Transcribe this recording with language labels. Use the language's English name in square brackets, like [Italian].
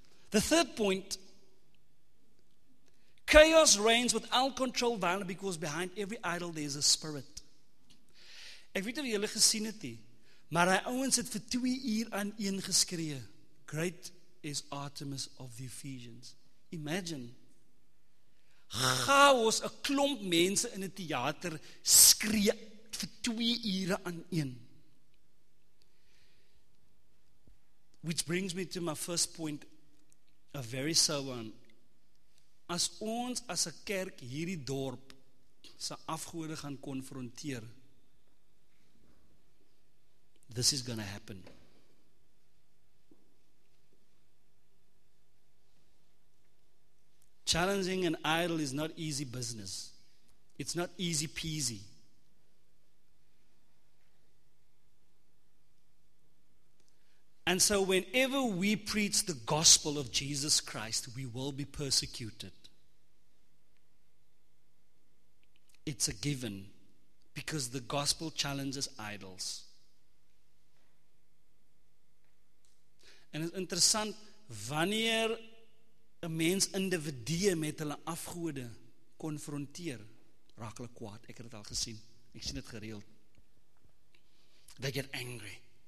[English] The third point, chaos reigns without control violence because behind every idol there is a spirit. [Afrikaans] Ek weet of julle gesien het nie, maar hy ouwens het vir 2 uur aan een geskree, [English] great is Artemis of the Ephesians. [Afrikaans] Imagine, chaos, 'n klomp mense in 'n theater skree vir 2 uur aan een. [English] Which brings me to my first point, a very sober one. [Afrikaans] As ons as 'n kerk hierdie dorp sy afgode gaan konfronteer, [English] this is gonna happen. Challenging an idol is not easy business. It's not easy peasy. And so whenever we preach the gospel of Jesus Christ, we will be persecuted. It's a given because the gospel challenges idols. [Afrikaans] En het is interessant, wanneer een mens individue met hulle afgode konfronteer, raak hulle kwaad, ek het al gesien, ek sien het gereeld. [English] They get angry.